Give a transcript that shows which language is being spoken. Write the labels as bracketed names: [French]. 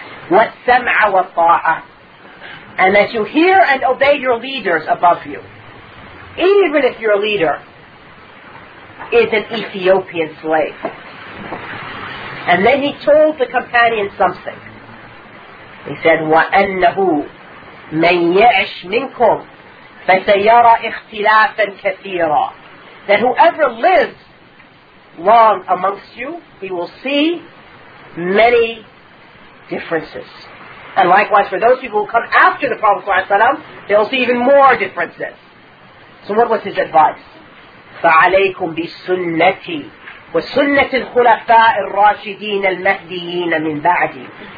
[Arabic] وَالسَّمْعَ وَالطَّاعَةَ. [English] And that you hear and obey your leaders above you. Even if your leader is an Ethiopian slave. And then he told the companion something. He said, [Arabic] وَأَنَّهُ مَنْ يَعْشْ مِنْكُمْ فَسَيَرَى إِخْتِلَافًا كَثِيرًا. [English] That whoever lives long amongst you, he will see many differences. And likewise, for those people who come after the Prophet ﷺ, they will see even more differences. So what was his advice? [Arabic] فَعَلَيْكُمْ بِسُنَّتِي وَسُنَّةِ الْخُلَفَاءِ الرَّاشِدِينَ الْمَهْدِيِّينَ مِنْ بَعْدِي.